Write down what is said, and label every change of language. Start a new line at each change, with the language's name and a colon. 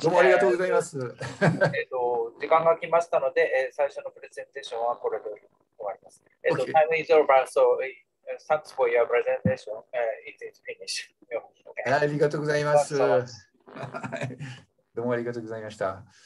Japanese: どうもありがとうございます。時間が来ましたので、最初のプレゼンテーションはこれで終わります。
English: Time is over, so thanks for your presentation. It is finished.
Japanese: ありがとうございます。どうもありがとうございました。